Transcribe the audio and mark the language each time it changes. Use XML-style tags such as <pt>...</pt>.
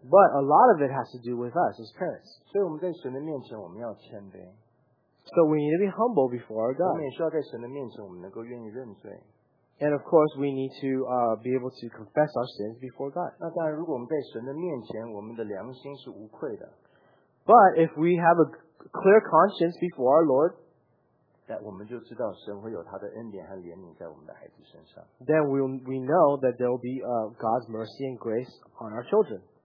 <en>But a lot of it has to do with us as parents.</en> <zh>所以我们在神的面前我们要谦卑。</zh> <en>So we need to be humble before our God. And of course, we need to be able to confess our sins before God. But if we have a clear conscience before our Lord, then we know that there will be God's mercy and grace on our children.</en>